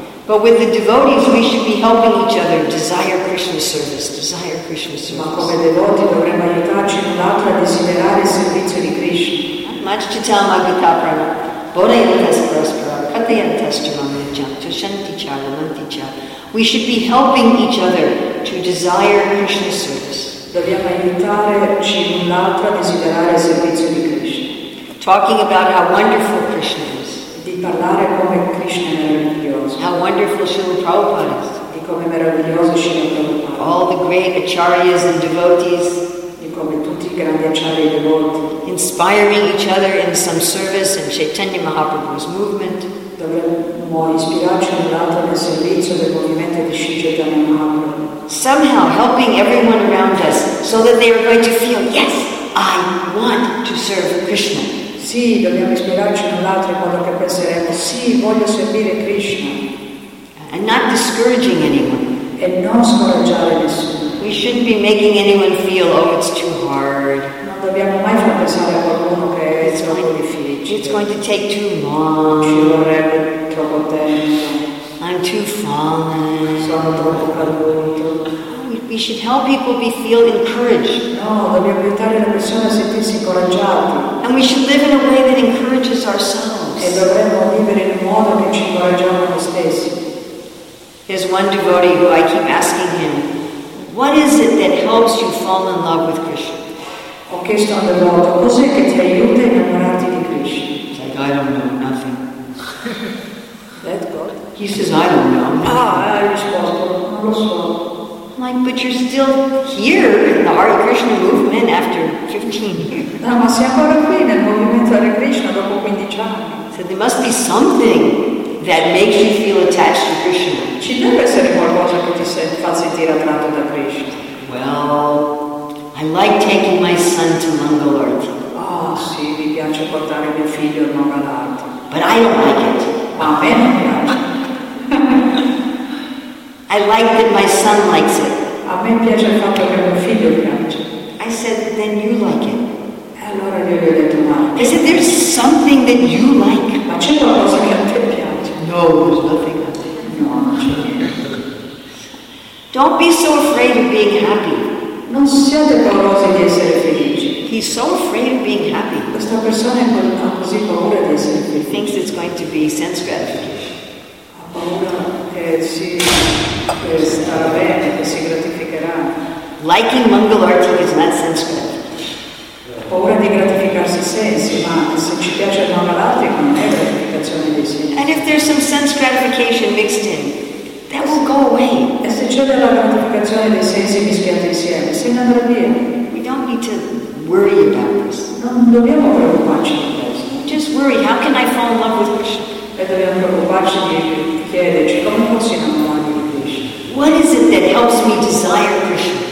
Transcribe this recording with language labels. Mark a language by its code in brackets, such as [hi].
[en] But with the devotees we should be helping each other desire Krishna's service, desire Krishna's service. [it] Ma come devoti dovremmo aiutarci un altro a desiderare il servizio di Krishna. [sa] Much to tell Magita Prana, Bona yantas praspara, kata yantas jamanajam, tushanti chara, manti chara. [en] We should be helping each other to desire Krishna's service. [it] Dobbiamo aiutarci un altro a desiderare il servizio di Krishna. [en] Talking about how wonderful Krishna is. [it] Di parlare come Krishna è meraviglioso. [en] How wonderful Srila Prabhupada is. [it] Di come meraviglioso Srila Prabhupada. [en] All the great acharyas and devotees. [it] Di come tutti i grandi acharya e devoti. [en] Inspiring each other in some service in Chaitanya Mahaprabhu's movement. [it] Dovremmo ispirarci un altro nel servizio del movimento di Sri Chaitanya Mahaprabhu. [en] Somehow helping everyone around us so that they are going to feel, yes, I want to serve Krishna. [it] Sì, dobbiamo ispirarci un altro in modo che penseremo, sì, voglio servire Krishna. [en] And not discouraging anyone. [it] E non scoraggiare nessuno. [en] We shouldn't be making anyone feel, oh, it's too hard. [it] Non dobbiamo mai far pensare a qualcuno che è troppo difficile. [en] It's going to take too long. [it] Ci vorrebbe troppo tempo. [en] I'm too fallen. [it] Sono troppo caduto. [en] We should help people be feel encouraged. [it] No, dobbiamo aiutare le persone a sentirsi incoraggiate. [en] And we should live in a way that encourages ourselves. [it] E dovremmo vivere in un modo che ci incoraggiamo noi stessi. [en] There's one devotee who I keep asking him, what is it that helps you fall in love with Krishna? [it] Ho chiesto a un devoto, cos'è che ti aiuta a innamorarti di Krishna? [en] He's like, I don't know, nothing. That's good. He says, I don't know. [it] Ah, I risposto, non lo so. [en] Like, but you're still here in the Hare Krishna movement after 15 years. [it] No, ma sei ancora qui nel movimento Hare Krishna dopo 15 anni. [en] So there must be something that makes you feel attached to Krishna. [it] Ci deve essere qualcosa che ti fa sentire attratto da Krishna. [en] Well, I like taking my son to Mangalore. [it] Oh, sì, mi piace portare mio figlio a Mangalore. [en] But I don't like it. [it] Ma a me non piace. [en] I like that my son likes it. [it] A me piace il fatto che mio figlio piace. [en] I said, then you like it. [it] Allora io gli ho detto no. [en] I said, there's something that you like. [it] Ma c'è qualcosa che a te piace? [en] No, there's nothing I like. [it] No, non c'è niente. [en] Don't be so afraid of being happy. [it] Non siate paurosi di essere felici. [en] He's so afraid of being happy. [it] Questa persona ha così paura di essere felice. [en] He thinks it's going to be sense gratification. [it] Ha paura che si starà bene, che si gratificherà. [en] Liking Mangalarti is not sense gratification. [it] Ha paura di gratificarsi sensi, ma se ci piace il Mangalarti non è gratificazione di sensi. [en] And if there's some sense gratification mixed in, that will go away. [it] E se c'è della gratificazione dei sensi mischiati insieme, se ne andrà via. [en] We don't need to worry about this. [it] Non dobbiamo preoccuparci di questo. [en] Just worry, how can I fall in love with Krishna? [it] E dobbiamo preoccuparci di chiederci come posso innamorarmi di Krishna. [en] What is it that helps me desire Krishna?